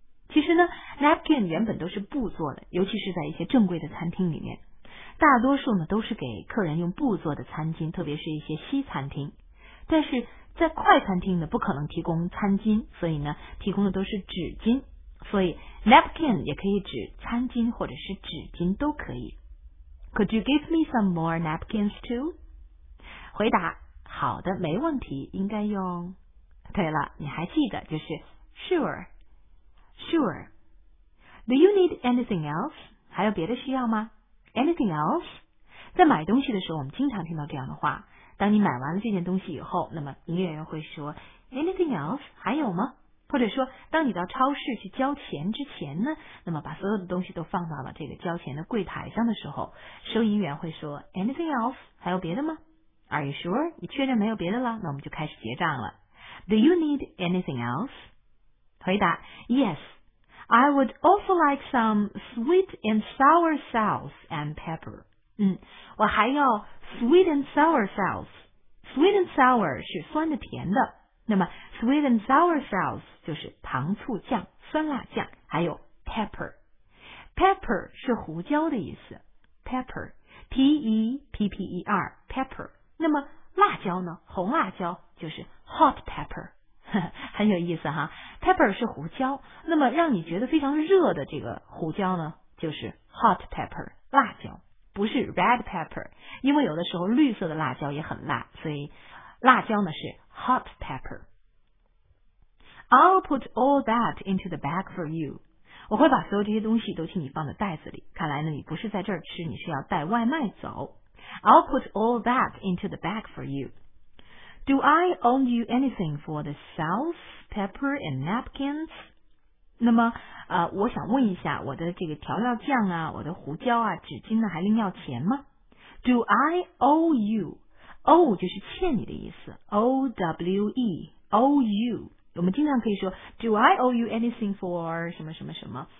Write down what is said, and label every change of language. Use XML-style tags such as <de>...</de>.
<zh>其实呢 ，napkin 原本都是布做的，尤其是在一些正规的餐厅里面，大多数呢都是给客人用布做的餐巾，特别是一些西餐厅。但是在快餐厅呢，不可能提供餐巾，所以呢，提供的都是纸巾。所以 napkin 也可以指餐巾或者是纸巾都可以。</zh> <en>Could you give me some more napkins too?</en> <zh>回答好的，没问题，应该用，对了，你还记得，就是 sure, sure.</zh> <en>Do you need anything else?</en> <zh>还有别的需要吗？</zh> <en>Anything else?</en> <zh>在买东西的时候我们经常听到这样的话，当你买完了这件东西以后，那么营业员会说 anything else? 还有吗？或者说当你到超市去交钱之前呢，那么把所有的东西都放到了这个交钱的柜台上的时候，收银员会说 Anything else? 还有别的吗？</zh> <en>Are you sure?</en> <zh>你确认没有别的了？那我们就开始结账了。</zh> <en>Do you need anything else? 回答 Yes, I would also like some sweet and sour sauce and pepper.</en> <zh>嗯，我还要 sweet and sour sauce. Sweet and sour 是酸的甜的，那么 sweet and sour sauce 就是糖醋酱、酸辣酱，还有 pepper。 pepper 是胡椒的意思， pepper P-E-P-P-E-R pepper。那么辣椒呢，红辣椒就是 hot pepper。很有意思哈， pepper 是胡椒，那么让你觉得非常热的这个胡椒呢，就是 hot pepper 辣椒，不是 red pepper， 因为有的时候绿色的辣椒也很辣，所以辣椒呢是Hot pepper.</zh> <en>I'll put all that into the bag for you.</en> <zh>我会把所有这些东西都替你放在袋子里。看来呢，你不是在这儿吃，你是要带外卖走。</zh> <en>I'll put all that into the bag for you. Do I owe you anything for the sauce, pepper, and napkins?</en> <zh>那么，我想问一下，我的这个调料酱啊，我的胡椒啊，纸巾呢，还另要钱吗？</zh> <en>Do I owe you?</en> <zh>Owe 就是欠你的意思 ，owe, owe you。我们经常可以说 ，</zh> <en>Do I owe you anything for</en> <zh>什么什么什么？</zh>